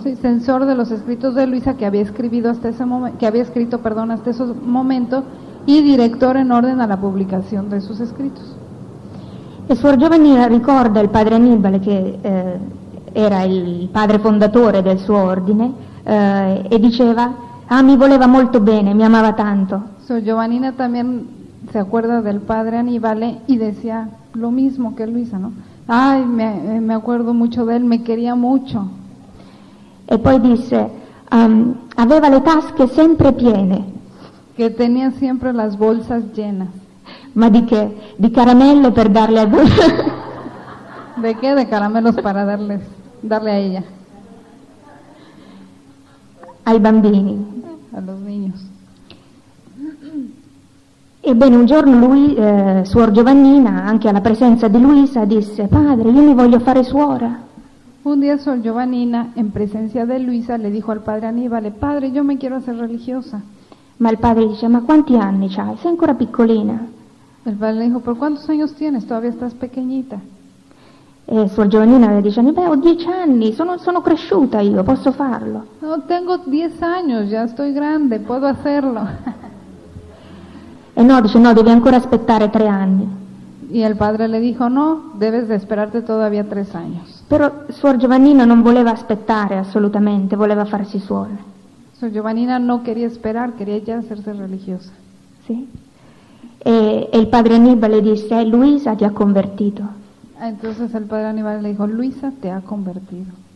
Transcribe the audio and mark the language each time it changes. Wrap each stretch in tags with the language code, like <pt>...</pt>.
<it>Sì, censore degli scritti di Luisa che aveva scritto a stesso momento, a stesso momento, e direttore in ordine alla pubblicazione dei suoi scritti. E Suor Giovannina ricorda il padre Annibale che era il padre fondatore del suo ordine e diceva: ah, mi voleva molto bene, mi amava tanto.</it> <es>Suor Giovannina también se acuerda del padre Annibale y decía lo mismo que Luisa, no? Ay, me acuerdo mucho de él, me quería mucho.</es> <it>E poi disse: aveva le tasche sempre piene.</it> <es>Que tenía siempre las bolsas llenas.</es> <it>Ma di che? Di caramelle per darle a voi.</it> <es>De qué? De caramelos para darle a ella.</es> <it>Ai bambini.</it> <es>A los niños.</es> <it>Ebbene, un giorno lui, Suor Giovannina, anche alla presenza di Luisa, disse: padre, io mi voglio fare suora.</it> <es>Un día Suor Giovannina, en presencia de Luisa, le dijo al padre Aníbale: padre, yo me quiero hacer religiosa.</es> <it>Ma il padre dice: ma quanti anni c'hai? Sei ancora piccolina.</it> <es>El padre le dijo: ¿por cuántos años tienes? Todavía estás pequeñita.</es> <it>E Suor Giovannina le dice: beh, ho 10 anni, sono cresciuta io, posso farlo.</it> <es>No, tengo 10 años, ya estoy grande, puedo hacerlo.</es> <it>E no, dice, no, devi ancora aspettare 3 anni.</it> <es>Y el padre le dijo: no, debes de esperarte todavía 3 años.</es> <it>Però Suor Giovannina non voleva aspettare assolutamente, voleva farsi suora.</it> <es>Suor Giovannina no quería esperar, quería ya hacerse religiosa.</es> <it>Sí. E il padre Annibale le disse: Luisa ti ha convertito.</it> <es>Entonces el padre Annibale le dijo: Luisa te ha convertido.</es>